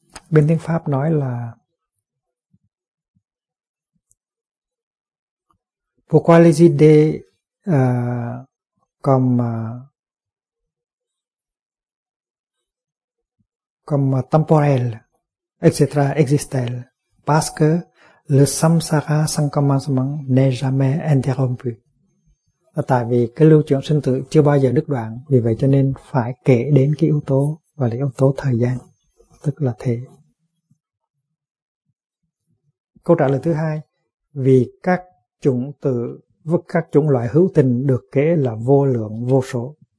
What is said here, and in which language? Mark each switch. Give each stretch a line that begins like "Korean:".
Vietnamese: Bên tiếng Pháp nói là
French: pourquoi les idées comme temporelles, etc. existent-elles? Parce que le samsara sans commencement n'est jamais interrompu.
Vietnamese: Tại vì cái lưu chuyển sinh tử chưa bao giờ đứt đoạn, vì vậy cho nên phải kể đến cái yếu tố và là yếu tố thời gian, tức là thể. Câu trả lời thứ hai, vì các chủng tử với các chủng loại hữu tình được kể là vô lượng vô số.